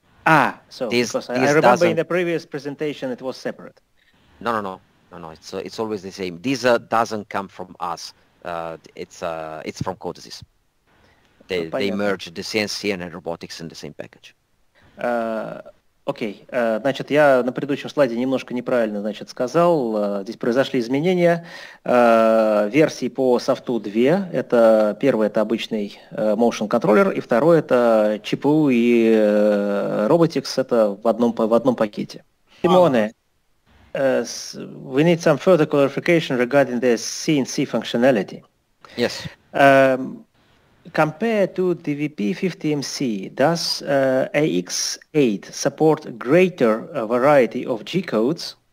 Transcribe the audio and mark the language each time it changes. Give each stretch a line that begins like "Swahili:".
English: Ah, so this, because this I remember doesn't... in the previous presentation it was separate. No, it's always the same. This doesn't come from us, it's from CODESYS. They merged the CNC and robotics in the same package.
Russian: Окей, значит, я на предыдущем слайде немножко неправильно, значит, сказал, здесь произошли изменения, версии по софту 2, это первый, это обычный motion controller, и второй, это ЧПУ и Robotics, это в одном пакете.
English: Симоне, we need some further clarification regarding the CNC functionality. Yes. Compared to DVP-50MC, does AX8 support greater variety of G-codes?